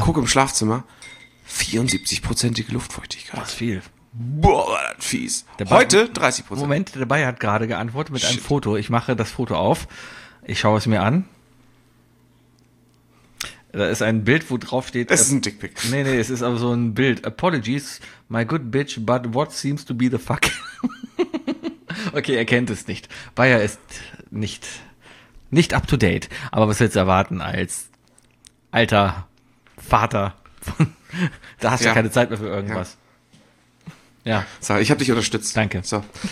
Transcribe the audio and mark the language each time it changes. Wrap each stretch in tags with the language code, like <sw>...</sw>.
<de>Gucke im Schlafzimmer, 74%ige Luftfeuchtigkeit. Das ist viel. Boah, war das fies. Heute 30%. Moment, der Bayer hat gerade geantwortet mit einem Foto. Ich mache das Foto auf. Ich schaue es mir an. Da ist ein Bild, wo drauf steht. Es ist ein Dickpic. Nee, es ist aber so ein Bild.</de> <en>Apologies, my good bitch, but what seems to be the fuck?</en> <de>Okay, er kennt es nicht. Bayer ist nicht up to date. Aber was willst du erwarten als alter Vater, da hast du ja keine Zeit mehr für irgendwas. Ja. So, ich habe dich unterstützt. Danke. So.</de>